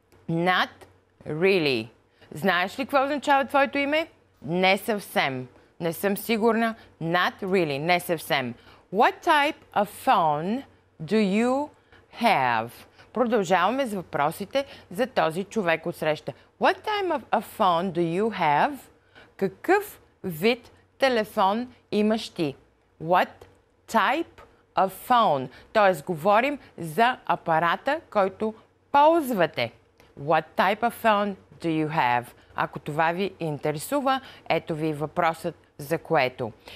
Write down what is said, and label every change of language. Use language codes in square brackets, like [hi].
[en] Not really. [bg] Знаеш ли какво означава твоето име? Не съвсем. Не съм сигурна. [en] Not really. [bg] Не съвсем. [en] What type of phone do you have? [bg] Продължаваме с въпросите за този човек от среща. [en] What type of a phone do you have? [bg] Какъв вид телефон имаш ти? [en] What type of phone? [bg] Тоест, говорим за апарата, който ползвате. [en] What type of phone do you have? [bg] Ако това ви интересува, ето ви въпросът за което.